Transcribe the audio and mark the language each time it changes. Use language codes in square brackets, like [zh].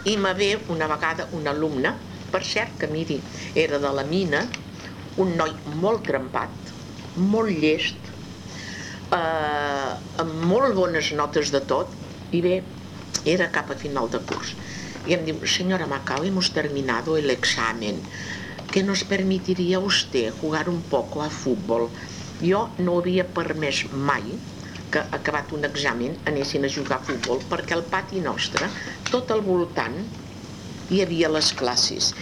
[ca] I me ve una vegada un alumne, per cert que miri, era de la mina, un noi molt trempat, molt llest, amb molt bones notes de tot, i bé, era cap a final de curs. I em diu, [es] senyora Macau, hemos terminado el examen. ¿Qué nos permitiría usted jugar un poco a fútbol? [ca] Jo no havia permès mai que acabat un examen anessin a jugar a futbol, perquè al pati nostre, tot al voltant, hi havia les classes.